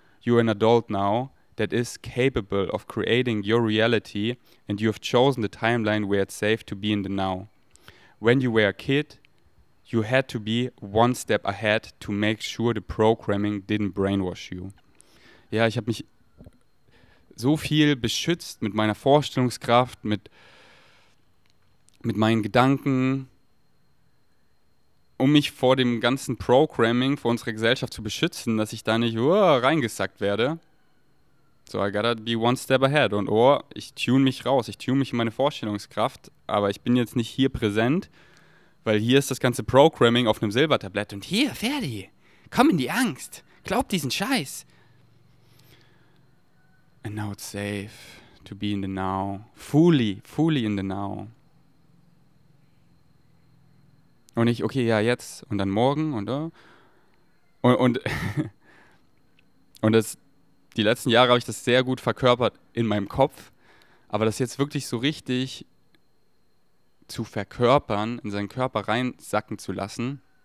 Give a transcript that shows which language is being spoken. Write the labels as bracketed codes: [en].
[en] You're an adult now that is capable of creating your reality and you have chosen the timeline where it's safe to be in the now. When you were a kid, you had to be one step ahead to make sure the programming didn't brainwash you. [de] Ja, ich habe mich so viel beschützt mit meiner Vorstellungskraft, mit meinen Gedanken. um mich vor dem ganzen Programming, vor unserer Gesellschaft zu beschützen, dass ich da nicht reingesackt werde. [en] So, I gotta be one step ahead. [de] Und oh, ich tune mich raus, ich tune mich in meine Vorstellungskraft, aber ich bin jetzt nicht hier präsent, weil hier ist das ganze Programming auf einem Silbertablett. Und hier, Ferdi, komm in die Angst, glaub diesen Scheiß. [en] And now it's safe to be in the now, fully, fully in the now. [de] Und ich, okay, ja, jetzt und dann morgen und da. Und das, die letzten Jahre habe ich das sehr gut verkörpert in meinem Kopf, aber das jetzt wirklich so richtig zu verkörpern, in seinen Körper reinsacken zu lassen.